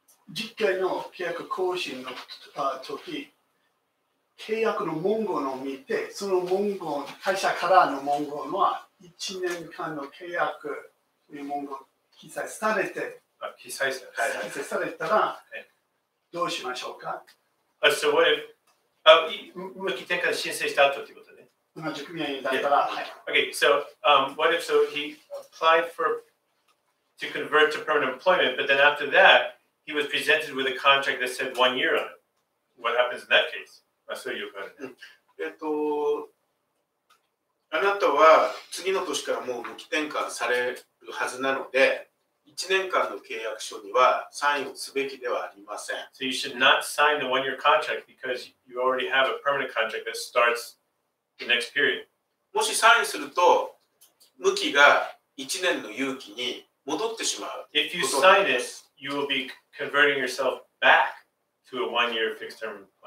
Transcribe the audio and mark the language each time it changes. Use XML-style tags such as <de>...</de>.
<ja>実験の契約更新の時、契約の文言を見て、その文言、会社からの文言は1年間の契約という文言を記載されて、記載されたら、どうしましょうか。</ja> <en>So what if</en> <ja>無期転換申請した後ということね。同じ組合員だったら、はい。</ja> <en>Okay, so what if so he applied for to convert to permanent employment, but then after that he was presented with a contract that said 1 year on it. What happens in that case?</en> <ja>あ、そういうこと。あなたは次の年からもう無期転換されるはずなので。 1年間の契約書にはサインをすべきではありません。</ja> <en>So you should not sign the one-year contract because you already have a permanent contract that starts the next period.</en> <ja>もしサインすると、無期が1年の有期に戻ってしまう。</ja> <en>If you sign it, you will be converting yourself back to a one-year fixed term employment.</en>